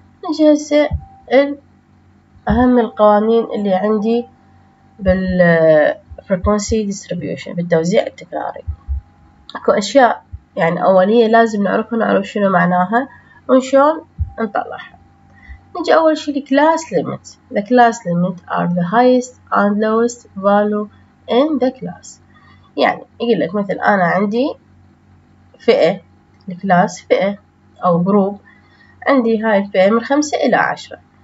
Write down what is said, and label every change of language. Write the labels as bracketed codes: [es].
[ar] نجي هسه أهم القوانين اللي عندي بالفريكونسي ديستريبيوشن، بالتوزيع التكراري. اكو اشياء يعني اوليه لازم نعرفها، نعرف شنو معناها وشلون نطلعها. نجي أول شيء class limit. [en] The class limit are the highest and lowest value in the class. [ar] يعني يقول لك مثل أنا عندي فئة class فئة أو group، عندي هاي الفئة من 5 إلى 10.